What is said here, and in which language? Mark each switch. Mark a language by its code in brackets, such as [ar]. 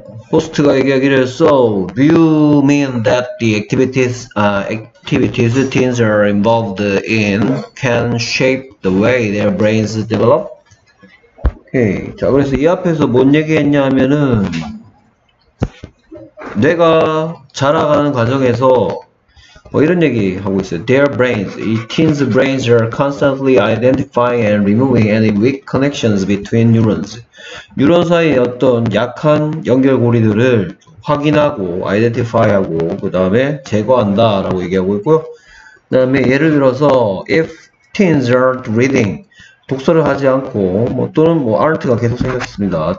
[ko] 호스트가 얘기하기를 [en] so do you mean that the activities activities the teens are involved in can shape the way their brains develop? [ko] 오케이. 자, 그래서 이 앞에서 뭔 얘기했냐면은 뇌가 자라가는 과정에서 뭐 이런 얘기 하고 있어요. [en] Their brains, the teens brains are constantly identifying and removing any weak connections between neurons. [ko] 뉴런 사이의 어떤 약한 연결고리들을 확인하고 identify하고 그 다음에 제거한다 라고 얘기하고 있고요. 그 다음에 예를 들어서 [en] if teens aren't reading, [ko] 독서를 하지 않고 뭐 또는 뭐 aren't가 계속 생겼습니다.